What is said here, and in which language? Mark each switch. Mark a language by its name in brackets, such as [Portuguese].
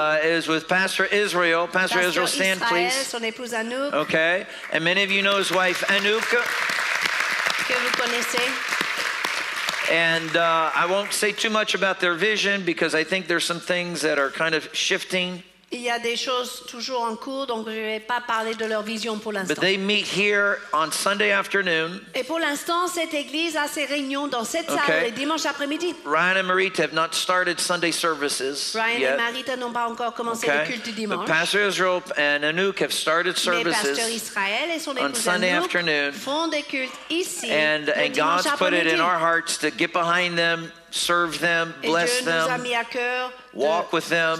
[English] Is with Pastor Israel. Pastor Israel, stand, Israel, please. [French] Son épouse Anouk. [English] Okay. And many of you know his wife Anouk. [French] Que vous connaissez. [English] And I won't say too much about their vision because I think there's some things that are kind of shifting. [French] Il y a des choses toujours en cours, donc je ne vais pas parler de leur vision pour l'instant. [English] But they meet here on Sunday afternoon. [French] Et pour l'instant, cette église a ses réunions dans cette salle les dimanches après-midi. [English] Ryan and Marita have not started Sunday services Ryan yet. [French] Et Marita n'ont pas encore commencé le culte dimanche. [English] But Pastor Israel and Anouk have started services [French] Mais Israel et son [English] on Sunday [French] Anouk [English] afternoon. [French] Font des cultes ici [English] and [French] le [English] and God's put it in our hearts to get behind them, serve them, bless them, walk with them.